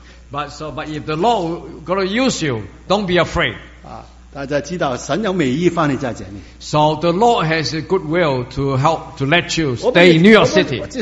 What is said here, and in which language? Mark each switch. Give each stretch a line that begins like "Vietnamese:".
English: But if the Lord gonna use you, don't be afraid.
Chinese: 大家知道神有美意放你在这里。
English: So the Lord has a good will to help to let you stay in New York City.